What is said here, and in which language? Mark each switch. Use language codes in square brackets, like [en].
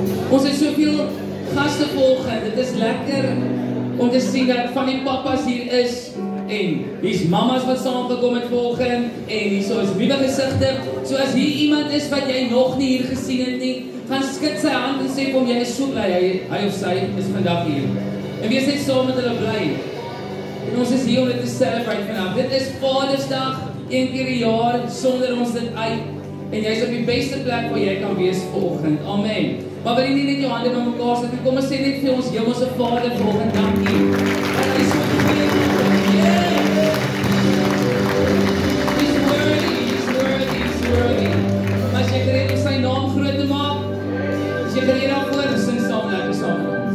[af] Ons het soveel gaste volgende, dit is lekker om te sien dat van die papas hier is en hier is mamas wat saamgekom het volgende en hier is nuwe gesigte. So as hier iemand is wat jy nog nie hier gesien het nie, gaan skud sy hand en sê kom, jy is so bly, hy of sy is vandag hier. En wees net saam met hulle bly. En ons is hier om dit te celebrate vandag. Dit is Vadersdag, een keer die jaar, sonder ons dit uit. En jy is op die beste plek waar jy kan wees volgende. Amen. Maar wil jy nie net jou hande na mekaar sit en kom en sê net vir ons Hemelse Vader volgende dankie. Want hy is so goed. Yeah. [en] He's worthy. [af] Maar as jy gereed om sy naam groot te maak, as jy gereed daarvoor, sing saam lekker saam.